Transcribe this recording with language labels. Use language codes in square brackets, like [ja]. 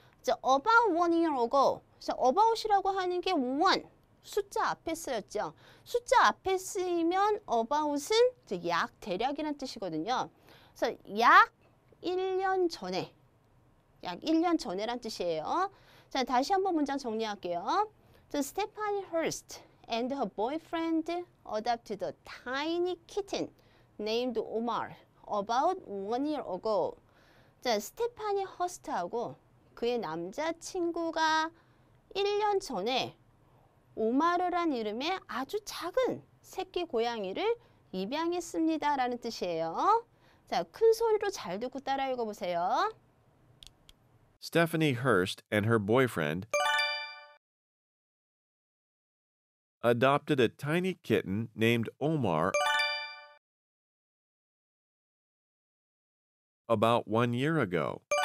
[ko] 자, [en] about 1 year ago. [ko] 자, about이라고 하는 게 one. 숫자 앞에 쓰였죠. 숫자 앞에 쓰이면 about은 약, 대략이란 뜻이거든요. 그래서 약 1년 전에, 약 1년 전에란 뜻이에요. 자, 다시 한번 문장 정리할게요. [en] So Stephanie Hurst and her boyfriend adopted a tiny kitten named Omar about 1 year ago. [ko] 자, 스테파니 허스트하고 그의 남자친구가 1년 전에 오마르란 이름의 아주 작은 새끼 고양이를 입양했습니다. 라는 뜻이에요. 자, 큰 소리로 잘 듣고 따라 읽어보세요. [en] Stephanie Hurst and her boyfriend adopted a tiny kitten named Omar about 1 year ago.